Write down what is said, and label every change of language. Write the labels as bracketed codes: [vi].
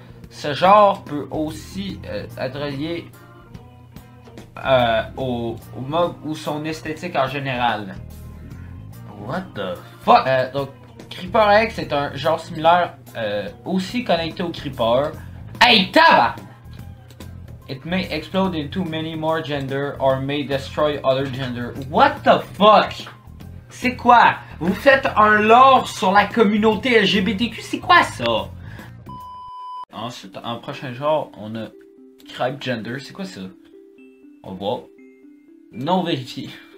[fr] Ce genre peut aussi être lié... au mob ou son esthétique en général. [en] What the fuck? [fr] Donc, Creeper X est un genre similaire aussi connecté au Creeper. Hey, tabac! [en] It may explode into many more gender or may destroy other gender. What the fuck? [fr] C'est quoi? Vous faites un lore sur la communauté LGBTQ? C'est quoi ça? Ensuite, en prochain genre, on a Cripe Gender. C'est quoi ça? On voit. Non vérifié.